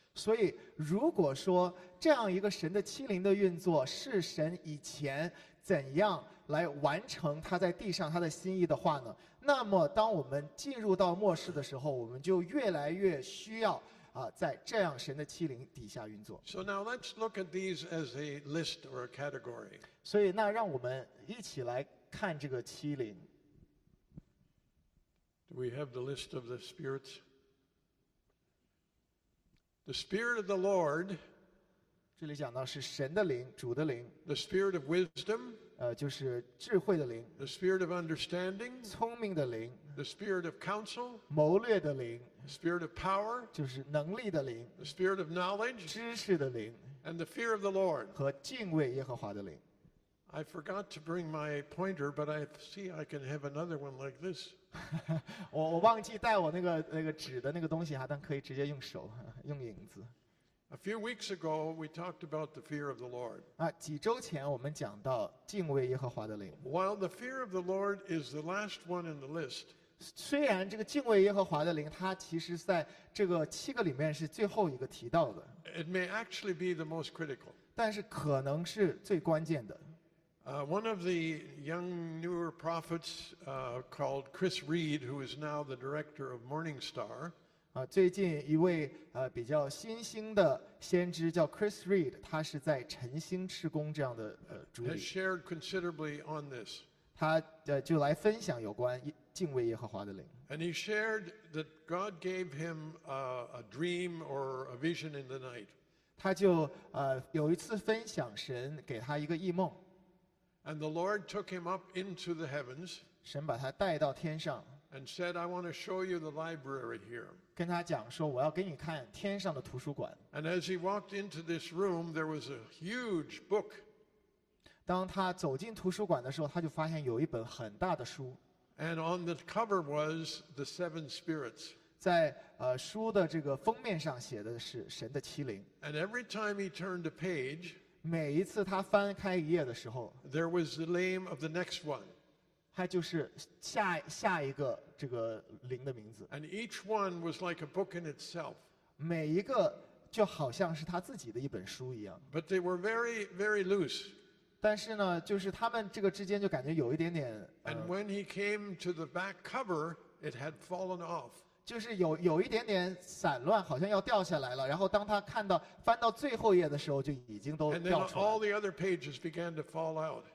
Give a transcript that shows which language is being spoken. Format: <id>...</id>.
<zh>所以如果说这样一个神的七灵的运作是神以前怎样来完成他在地上他的心意的话呢，那么当我们进入到末世的时候，我们就越来越需要啊，在这样神的七灵底下运作。</zh> <en>So now let's look at these as a list or a category.</en> <zh>所以那让我们一起来看这个七灵。</zh> <en>Do we have the list of the spirits? The Spirit of the Lord,</en> <zh>这里讲到是神的灵，主的灵。</zh> <en>The Spirit of wisdom,</en> <zh>就是智慧的灵。</zh> <en>The Spirit of understanding,</en> <zh>聪明的灵。</zh> <en>The Spirit of counsel,</en> <zh>谋略的灵。</zh> <en>The Spirit of power,</en> <zh>就是能力的灵。</zh> <en>The Spirit of knowledge,</en> <zh>知识的灵。</zh> <en>And the fear of the Lord,</en> <zh>和敬畏耶和华的灵。</zh> <en>I forgot to bring my pointer, but I see I can have another one like this.</en> <zh>我忘记带我那个纸的那个东西哈，但可以直接用手用影子。</zh> <en>A few weeks ago, we talked about the fear of the Lord.</en> <zh>几周前我们讲到敬畏耶和华的灵。</zh> <en>While the fear of the Lord is the last one in the list,</en> <zh>虽然这个敬畏耶和华的灵，它其实在这个七个里面是最后一个提到的。</zh> <en>It may actually be the most critical.</en> <zh>但是可能是最关键的。</zh> <en>One of the young newer prophets, called Chris Reed, who is now the director of Morningstar.</en> <zh>最近一位比较新兴的先知叫 Chris Reed， 他是在晨星事工这样的主理。</zh> <en>Has shared considerably on this.</en> <zh>他就来分享有关敬畏耶和华的灵。</zh> <en>And he shared that God gave him a dream or a vision in the night.</en> <zh>他就有一次分享神给他一个异梦。</zh> <en>And the Lord took him up into the heavens.</en> <zh>神把他带到天上。</zh> <en>And said, "I want to show you the library here."</en> <zh>跟他讲说，我要给你看天上的图书馆。</zh> <en>And as he walked into this room, there was a huge book.</en> <zh>当他走进图书馆的时候，他就发现有一本很大的书。</zh> <en>And on the cover was the seven spirits.</en> <zh>在书的这个封面上写的是神的七灵。</zh> <en>And every time he turned a page,</en> <zh>每一次他翻开一页的时候</zh> <en>，there was the name of the next one.</en> <zh>他就是 下一个这个灵的名字。</zh> <en>And each one was like a book in itself.</en> <zh>每一个就好像是他自己的一本书一样。</zh> <en>But they were very, very loose.</en> <zh>但是呢，就是他们这个之间就感觉有一点点。</zh> <en>And when he came to the back cover, it had fallen off.</en> <zh>就是有一点点散乱，好像要掉下来了。然后当他看到翻到最后页的时候，就已经都掉出来了。</zh> <en>And then all the other pages began to fall out.</en>